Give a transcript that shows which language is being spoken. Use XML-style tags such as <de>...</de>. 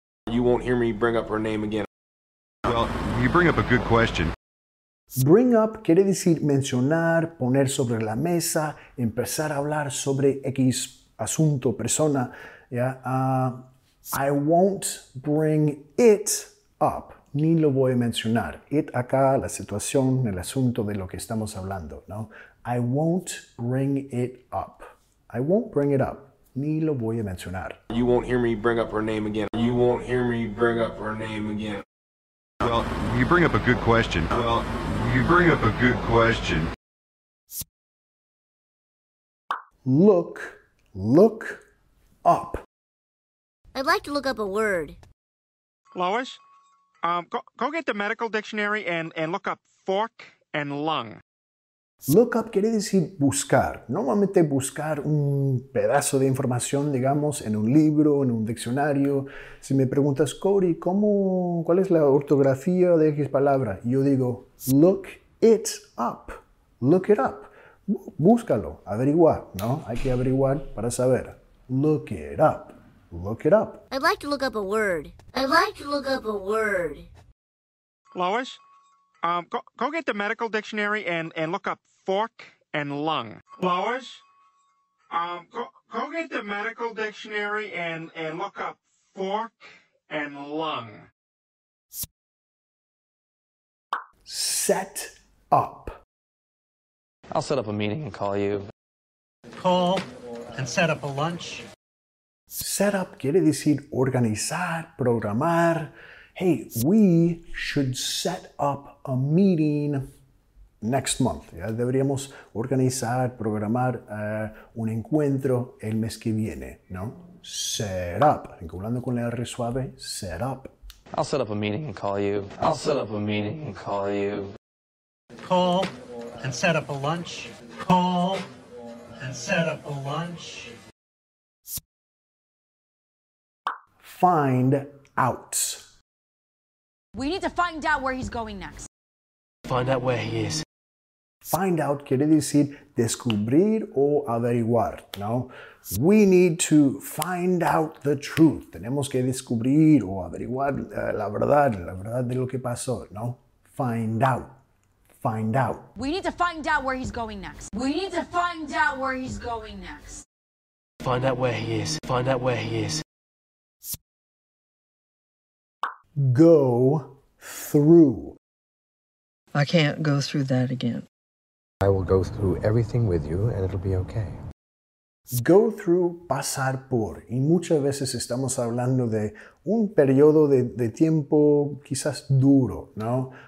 <en>You won't hear me bring up her name again. Well, you bring up a good question.</en> <es>Bring up quiere decir mencionar, poner sobre la mesa, empezar a hablar sobre X asunto, persona.</es> <en>I won't bring it up.</en> <es>Ni lo voy a mencionar. It acá, la situación, el asunto de lo que estamos hablando, ¿no?</es> <en>I won't bring it up. I won't bring it up.</en> <es>Ni lo voy a mencionar.</es> <en>You won't hear me bring up her name again. You won't hear me bring up her name again. Well, you bring up a good question. Well, you bring up a good question. Look, look up. I'd like to look up a word. Lois, go get the medical dictionary and look up fork and lung.</en> <es>Look up quiere decir buscar. Normalmente buscar un pedazo de información, digamos, en un libro, en un diccionario. Si me preguntas, Cory, ¿cuál es la ortografía de X palabra? Yo digo,</es> <en>look it up. Look it up.</en> <es>Búscalo, averigua, ¿no? Hay que averiguar para saber.</es> <en>Look it up. Look it up. I'd like to look up a word. I'd like to look up a word. Lois? Go get the medical dictionary and look up fork and lung. Lois, go get the medical dictionary and look up fork and lung. Set up. I'll set up a meeting and call you. Call and set up a lunch.</en> <es>Set up quiere decir organizar, programar.</es> <en>Hey, we should set up a meeting next month.</en> <es>¿Ya? Deberíamos organizar, programar un encuentro el mes que viene, ¿no? Set up. Vinculando con la R suave, set up.</es> <en>I'll set up a meeting and call you. I'll set up a meeting and call you. Call and set up a lunch. Call and set up a lunch. Find out. We need to find out where he's going next. Find out where he is.</en> <es>Find out quiere decir descubrir o averiguar, ¿no?</es> <en>We need to find out the truth.</en> <es>Tenemos que descubrir o averiguar la verdad de lo que pasó, ¿no?</es> <en>Find out. Find out. We need to find out where he's going next. We need to find out where he's going next. Find out where he is. Find out where he is. Go through. I can't go through that again. I will go through everything with you and it'll be okay.</en> <es>Go through, pasar por. Y muchas veces estamos hablando de un periodo de tiempo quizás duro, ¿no?</es>